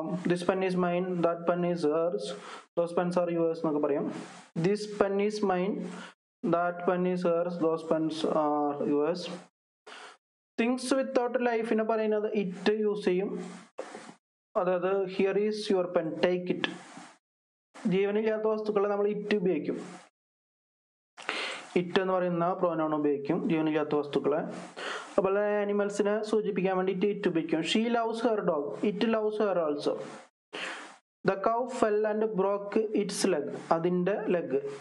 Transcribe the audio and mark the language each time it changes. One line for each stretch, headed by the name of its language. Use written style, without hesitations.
English: this pen is mine, that pen is hers, those pens are yours
Malayalam: എന്നൊക്കെ പറയാം.
English: This pen is mine, that pen is hers, those pens are yours. Things without life
Malayalam: ina parayunathu it use cheyum, adathu
English: here is your pen, take it.
Malayalam: ജീവനില്ലാത്ത വസ്തുക്കളെ നമ്മൾ it ഉപയോഗിക്കും, it എന്ന് പറയുന്ന pronoun ഉപയോഗിക്കും ജീവനില്ലാത്ത വസ്തുക്കളെ. അതുപോലെ ആനിമൽസിനെ സൂചിപ്പിക്കാൻ വേണ്ടിട്ട് ഇറ്റ് ഉപയോഗിക്കും.
English: She loves her dog, it loves her also. The cow fell and broke its leg,
Malayalam: അതിൻ്റെ ലെഗ്.